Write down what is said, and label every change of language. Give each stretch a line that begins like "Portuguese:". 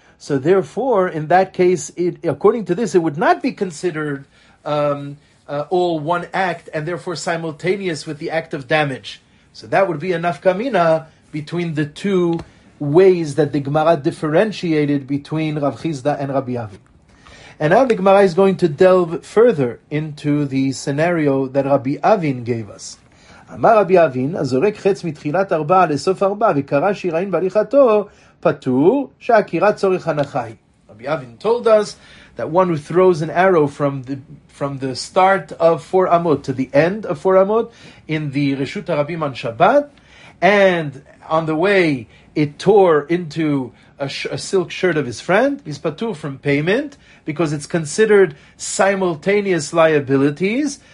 English: So therefore, in that case, according to this, it would not be considered all one act and therefore simultaneous with the act of damage. So that would be a nafka mina between the two ways that the Gemara differentiated between Rav Chisda and Rabbi Avi. And now the Gemara is going to delve further into the scenario that Rabbi Avin gave us.
Hebrew: אמר רבי אבין, הזורק חץ מתחילת ארבע לסוף ארבע, וקרא שיראין בהליכתו, פטור שעקירה צורך הנחי.
English: רבי אבין told us that one who throws an arrow from the start of four amot to the end of four amot in the רשות הרבים on Shabbat, and on the way it tore into a silk shirt of his friend, he's patur from payment, because it's considered simultaneous liabilities.